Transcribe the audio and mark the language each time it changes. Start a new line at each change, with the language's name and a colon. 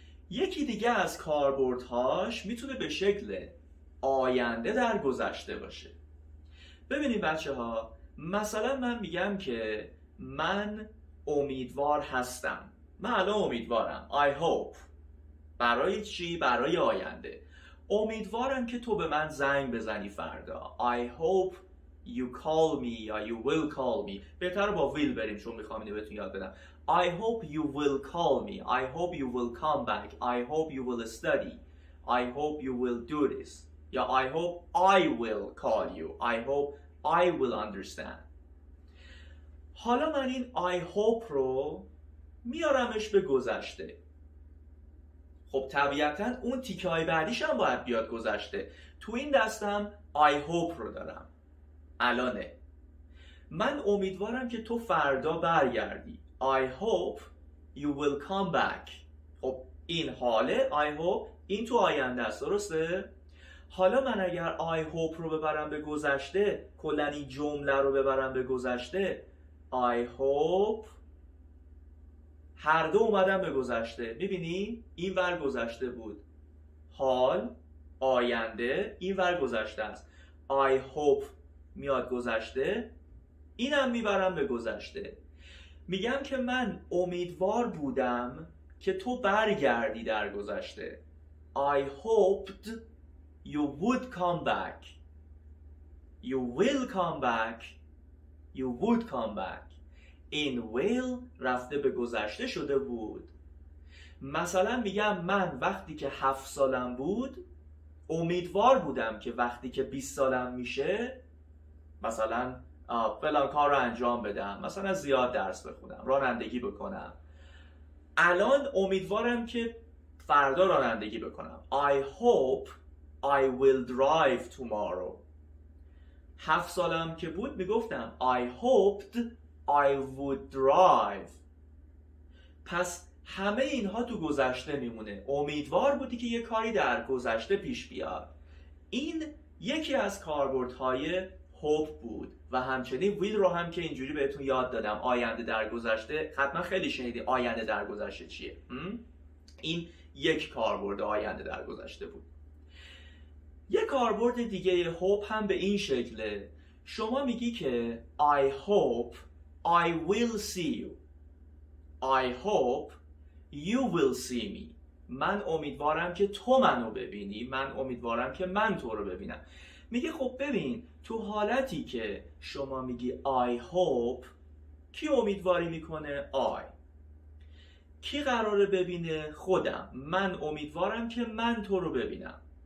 Persian: یکی دیگه از کاربردهاش میتونه به شکل آینده در گذشته باشه. ببینید بچه ها، مثلا من میگم که من امیدوار هستم. من الان امیدوارم.
English: I hope.
Persian: برای چی؟ برای آینده. امیدوارم که تو به من زنگ بزنی فردا.
English: I hope you call me or you will call me.
Persian: بهتر با will بریم چون میخوام اینو بهتون یاد بدم.
English: I hope you will call me. I hope you will come back. I hope you will study. I hope you will do this. یا I hope I will call you. I hope I will understand.
Persian: حالا من این I hope رو میارمش به گذشته. خب طبیعتاً اون تیکای بعدیش هم باید بیاد گذشته. تو این دستم I hope رو دارم. الانه. من امیدوارم که تو فردا برگردی.
English: I hope you will come back.
Persian: خب این حاله. I hope این تو آینده است. درسته؟ حالا من اگر I hope رو ببرم به گذشته، کلن این جمله رو ببرم به گذشته، I hope، هر دو اومدم به گذشته. میبینی؟ این ور گذشته بود، حال آینده، این ور گذشته است. I hope میاد گذشته، اینم میبرم به گذشته. میگم که من امیدوار بودم که تو برگردی در گذشته.
English: I hoped you would come back. You will come back. You would come back.
Persian: این will رفته به گذشته شده بود. مثلا میگم من وقتی که 7 سالم بود امیدوار بودم که وقتی که 20 سالم میشه مثلا فلان کار رو انجام بدم، مثلا زیاد درس بخونم، رانندگی بکنم. الان امیدوارم که فردا رانندگی بکنم.
English: I hope I will drive tomorrow.
Persian: 7 سالم که بود میگفتم
English: I hoped I would drive.
Persian: پس همه اینها تو گذشته میمونه. امیدوار بودی که یه کاری در گذشته پیش بیاد. این یکی از کاربردهای hope بود و همچنین will رو هم که اینجوری بهتون یاد دادم. آینده در گذشته حتما خیلی شنیدی آینده در گذشته چیه. این یک کاربرد آینده در گذشته بود. یه کاربرد دیگه hope هم به این شکله. شما میگی که
English: I hope I will see you. I hope you will see me.
Persian: من امیدوارم که تو منو ببینی. من امیدوارم که من تو رو ببینم. میگه خب ببین، تو حالتی که شما میگی I hope، کی امیدواری میکنه؟ I. کی قراره ببینه؟ خودم. من امیدوارم که من تو رو ببینم.